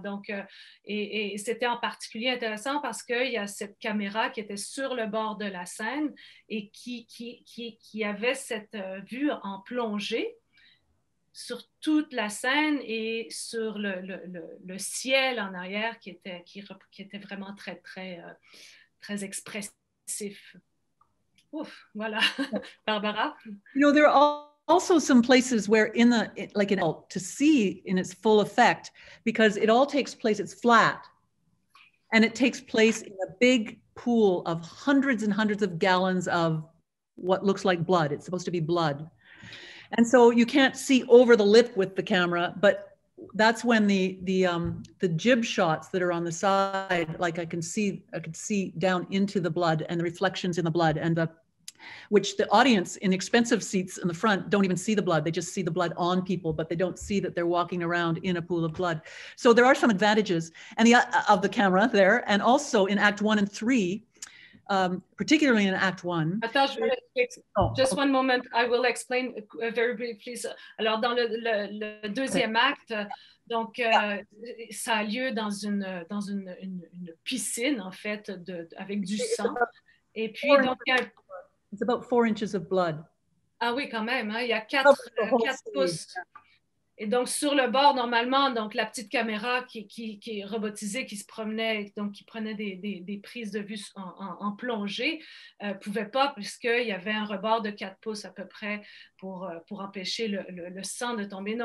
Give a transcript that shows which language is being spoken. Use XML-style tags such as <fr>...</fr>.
<fr>Donc et c'était en particulier intéressant parce que il y a cette caméra qui était sur le bord de la scène et qui avait cette vue en plongée sur toute la scène et sur le ciel en arrière qui était vraiment très très très expressif. Ouf, voilà. Barbara.</fr> <en>You know, there are also some places where in the, like in, to see in its full effect, because it all takes place, it's flat, and it takes place in a big pool of hundreds and hundreds of gallons of what looks like blood. It's supposed to be blood. And so you can't see over the lip with the camera, but that's when the jib shots that are on the side, like I can see down into the blood and the reflections in the blood and which the audience in expensive seats in the front don't even see the blood. They just see the blood on people, but they don't see that they're walking around in a pool of blood. So there are some advantages of the camera there. And also in Act 1 and 3, particularly in Act 1. Just one moment, I will explain very briefly.</en> <fr>Alors, dans le deuxième acte, donc, ça a lieu dans une piscine, en fait, avec du sang. Et puis, donc,</fr> <en>it's about 4 inches of blood.</en> <fr>Ah oui, quand même, hein? Il y a 4 pouces. Et donc, sur le bord, normalement, donc, la petite caméra qui est robotisée, qui se promenait, donc qui prenait des prises de vue en plongée, ne pouvait pas, puisqu'il y avait un rebord de 4 pouces à peu près pour empêcher le sang de tomber.</fr>